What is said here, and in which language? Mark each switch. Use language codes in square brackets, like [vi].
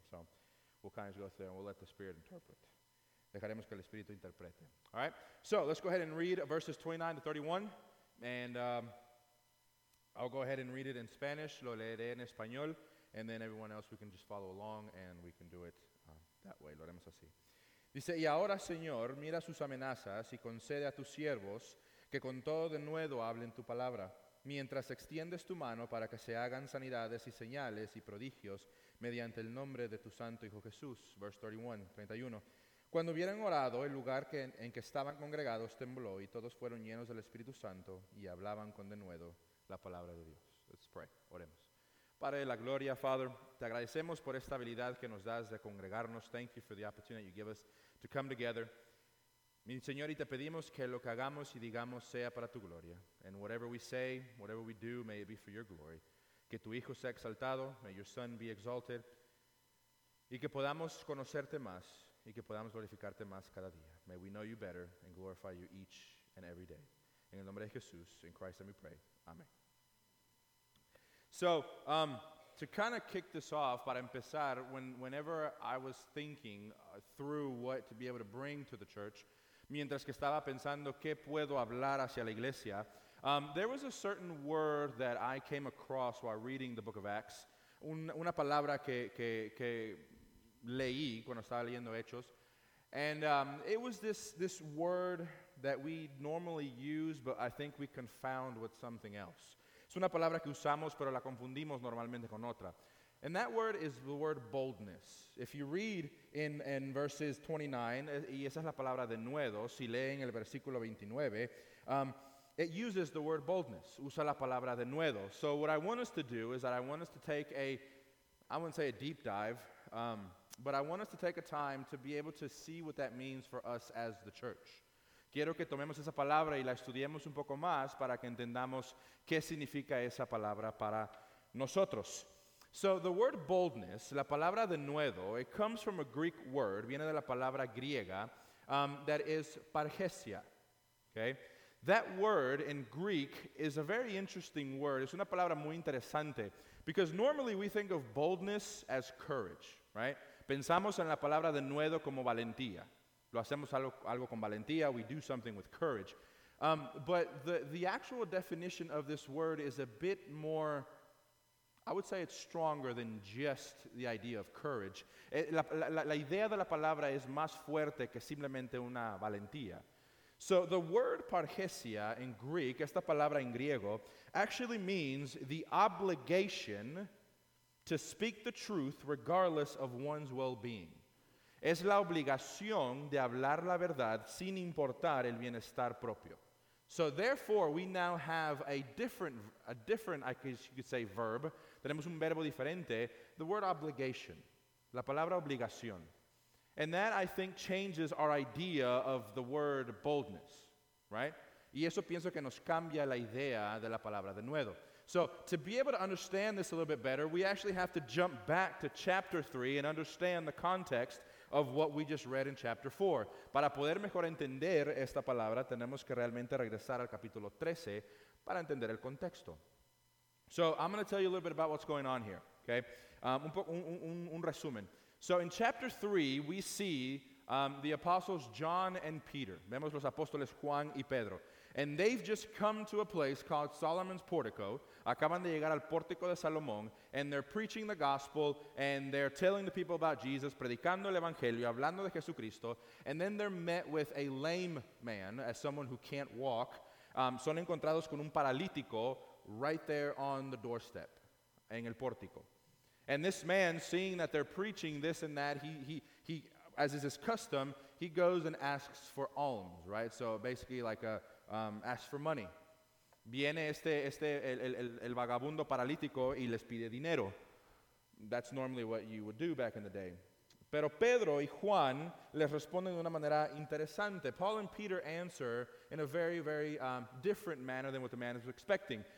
[en] So we'll kind of just go through, and we'll let the Spirit interpret. [es] Dejaremos que el Espíritu interprete. [en] All right? So let's go ahead and read verses 29 to 31, and I'll go ahead and read it in Spanish. [es] Lo leeré en español. [en] And then everyone else, we can just follow along and we can do it that way. [es] Lo haremos así. Dice, y ahora, Señor, mira sus amenazas y concede a tus siervos que con todo denuedo hablen tu palabra, mientras extiendes tu mano para que se hagan sanidades y señales y prodigios mediante el nombre de tu santo Hijo Jesús. [en] Verse 31. [es] Cuando hubieran orado, el lugar en que estaban congregados tembló y todos fueron llenos del Espíritu Santo y hablaban con denuedo la palabra de Dios. [en] Let's pray. [es] Oremos. Padre de la gloria, Father, te agradecemos por esta habilidad que nos das de congregarnos. [en] Thank you for the opportunity you give us to come together. [es] Mi Señor, y te pedimos que lo que hagamos y digamos sea para tu gloria. [en] And whatever we say, whatever we do, may it be for your glory. [es] Que tu Hijo sea exaltado, [en] may your Son be exalted, [es] y que podamos conocerte más, y que podamos glorificarte más cada día. [en] May we know you better and glorify you each and every day. [es] En el nombre de Jesús, [en] in Christ, we pray. Amen. So, to kind of kick this off, [es] para empezar, [en] whenever I was thinking through what to be able to bring to the church, [es] mientras que estaba pensando qué puedo hablar hacia la iglesia, [en] there was a certain word that I came across while reading the book of Acts, [es] una palabra que leí cuando estaba leyendo Hechos, [en] and it was this word that we normally use, but I think we confound with something else. [es] Es una palabra que usamos, pero la confundimos normalmente con otra. [en] And that word is the word boldness. If you read in verses 29, [es] y esa es la palabra de nuevo, si leen el versículo 29, [en] it uses the word boldness. [es] Usa la palabra de nuevo. [en] So what I want us to do is that I want us to take a deep dive, but I want us to take a time to be able to see what that means for us as the church. [es] Quiero que tomemos esa palabra y la estudiemos un poco más para que entendamos qué significa esa palabra para nosotros. [en] So the word boldness, [es] la palabra denuedo, [en] it comes from a Greek word, [es] viene de la palabra griega, [en] that is parhesia. Okay? That word in Greek is a very interesting word. [es] Es una palabra muy interesante [en] because normally we think of boldness as courage, right? [es] Pensamos en la palabra denuedo como valentía. Lo hacemos algo con valentía, [en] we do something with courage. But the actual definition of this word is a bit more, I would say it's stronger than just the idea of courage. [es] La idea de la palabra es más fuerte que simplemente una valentía. [en] So the word parhesia in Greek, [es] esta palabra en griego, [en] actually means the obligation to speak the truth regardless of one's well-being. [es] Es la obligación de hablar la verdad sin importar el bienestar propio. [en] So therefore, we now have a different, I guess you could say, verb. [es] Tenemos un verbo diferente. [en] The word obligation. [es] La palabra obligación. [en] And that, I think, changes our idea of the word boldness. Right? [es] Y eso pienso que nos cambia la idea de la palabra de nuevo. [en] So to be able to understand this a little bit better, we actually have to jump back to chapter 3 and understand the context of what we just read in chapter 4. [es] Para poder mejor entender esta palabra, tenemos que realmente regresar al capítulo 13 para entender el contexto. [en] So I'm going to tell you a little bit about what's going on here, okay? [es] Un resumen. [en] So in chapter 3, we see the apostles John and Peter. [es] Vemos los apóstoles Juan y Pedro. [en] And they've just come to a place called Solomon's Portico. [es] Acaban de llegar al pórtico de Salomón, [en] and they're preaching the gospel, and they're telling the people about Jesus, [es] predicando el evangelio, hablando de Jesucristo, [en] and then they're met with a lame man, as someone who can't walk. [es] Son encontrados con un paralítico [en] right there on the doorstep, [es] en el pórtico. [en] And this man, seeing that they're preaching this and that, he as is his custom, he goes and asks for alms, right? So basically like asks for money. [es] Viene el vagabundo paralítico y les pide dinero. [en] That's normally what you would do back in the day. [es] Pero Pedro y Juan les responden de una manera interesante. [en] Paul and Peter answer in a very, very different manner than what the man is expecting.